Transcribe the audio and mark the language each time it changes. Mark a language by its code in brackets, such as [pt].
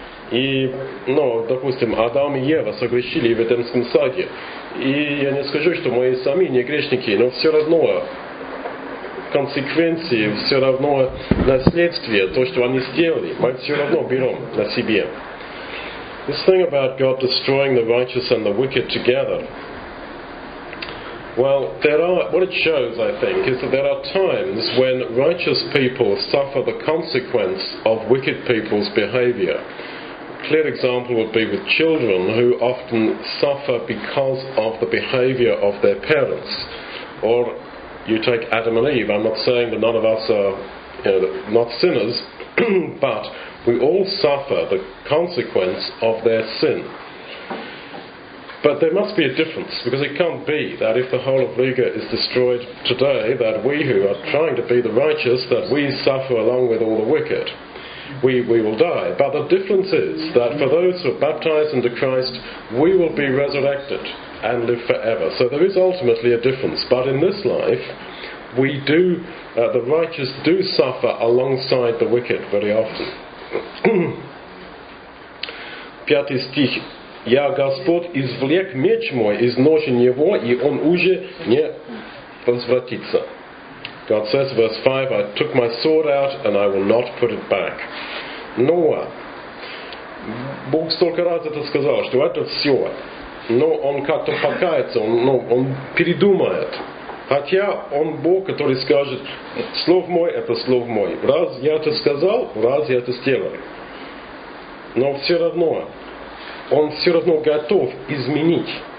[ru] И, ну, допустим, Адам и Ева согрешили в Эдемском саде. И я не скажу, что мы сами не грешники, но все равно консеквенции, все равно наследствие, то, что они сделали, мы все равно берем на себе. [en] This thing about God destroying the righteous and the wicked together. Well, there are, what it shows, I think, is that there are times when righteous people suffer the consequence of wicked people's behavior. A clear example would be with children who often suffer because of the behavior of their parents. Or you take Adam and Eve. I'm not saying that none of us are, you know, not sinners, but we all suffer the consequence of their sin. But there must be a difference, because it can't be that if the whole of Riga is destroyed today, that we who are trying to be the righteous, that we suffer along with all the wicked. We will die. But the difference is that for those who are baptized into Christ, we will be resurrected and live forever. So there is ultimately a difference. But in this life, we do the righteous do suffer alongside the wicked very often. [ru] Пятый стих. Я, Господь, извлек меч мой из ножен его, и он уже не возвратится. [en] God says, verse 5, I took my sword out, and I will not put it back. Ноа. [ru] Бог столько раз это сказал, что это все. Но он как-то покается, он передумает. Хотя он Бог, который скажет, слово мой, это слово мой. Раз я это сказал, раз я это сделал. Но все равно он все равно готов изменить.